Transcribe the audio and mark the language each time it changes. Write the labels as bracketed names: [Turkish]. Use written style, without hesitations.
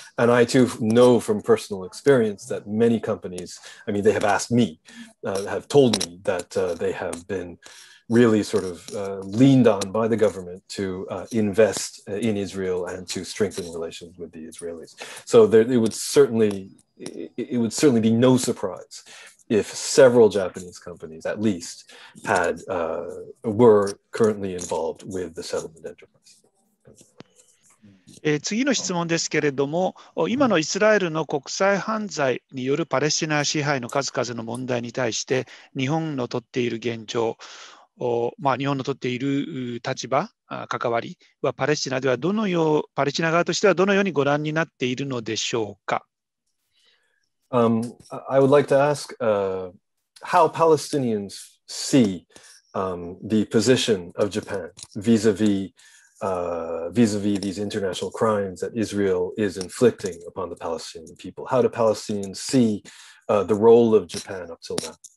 [English] And I too know from personal experience that many companies, I mean, they have asked me, have told me that they have been really sort of leaned on by the government to invest in Israel and to strengthen relations with the Israelis. So it would certainly be no surprise if several Japanese companies at least had were currently involved with the settlement enterprise. [Japanese] 次の質問ですけれども、今のイスラエルの国際犯罪によるパレスチナ支配の数々の問題に対して日本の取っている現状、まあ、日本の取っている立場、関わりはパレスチナではどのようパレスチナ側としてはどのようにご覧になっているのでしょうか。 [English] I would like to ask how Palestinians see the position of Japan vis-a-vis these international crimes that Israel is inflicting upon the Palestinian people. How do Palestinians see the role of Japan up till now?